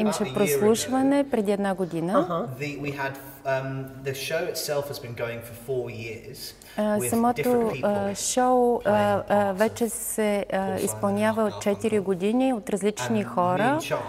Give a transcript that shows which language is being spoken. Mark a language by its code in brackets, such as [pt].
[bg] Имаше прослушване преди една година. [en] We had the show itself has been going for 4 years. [bg] Самото шоу вече се изпълнява от 4 години от различни хора.